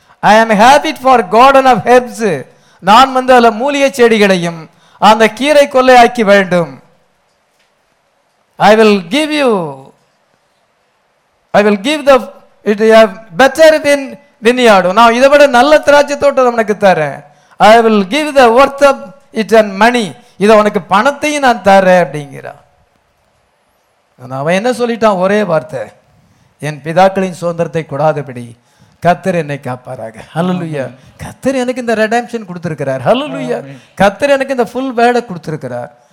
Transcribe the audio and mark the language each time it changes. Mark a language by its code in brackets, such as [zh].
[en] I am habit for garden of herbs, [ta] நான் வந்து அதில் மூலிகை செடிகளையும் அந்த கீரை கொள்ளையாக்கி வேண்டும். [en] I will give the it better then vineyard, [ta] நான் இதை விட நல்ல திராட்சை தோட்டம் உனக்கு தரேன். [en] I will give the worth of it and money. [ta] இதை உனக்கு பணத்தையும் நான் தரேன் அப்படிங்கிறான். அவன் என்ன சொல்லிட்டான், ஒரே வார்த்தை, என் பிதாக்களின் சுதந்திரத்தை கூடாதபடி கத்தர் என்னை காப்பாராக. ஹல்லேலூயா. கத்தர் எனக்கு இந்த ரெடெம்ஷன் கொடுத்துருக்கிறார். ஹல்லேலூயா. கத்தர் எனக்கு இந்த ஃபுல் வேலை கொடுத்துருக்கிறார்.